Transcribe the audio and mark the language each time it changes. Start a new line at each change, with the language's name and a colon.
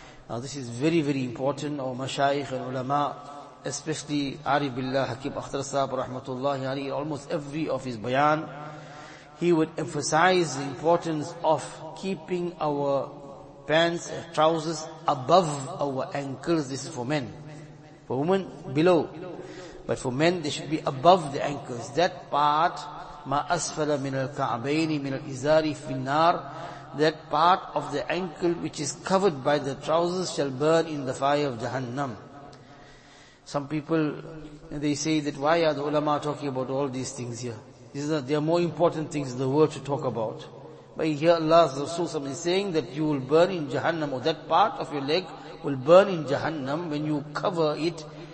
English: Now this is very, very important. Our mashayikh and ulama, especially Ari Billah Hakim Akhtar Sahib rahmatullahi alayhi, almost every of his bayan, he would emphasize the importance of keeping our pants and trousers above our ankles. This is for men. For women, below. But for men, they should be above the ankles. That part,
Arabic: مَا أَسْفَلَ مِنَ الْكَعْبَيْنِ مِنَ الْإِزَارِ فِي النَّارِ.
English: That part of the ankle which is covered by the trousers shall burn in the fire of Jahannam. Some people, they say that why are the ulama talking about all these things here? There are more important things in the world to talk about. But here Allah's Rasul is saying that you will burn in Jahannam, or that part of your leg will burn in Jahannam when you cover it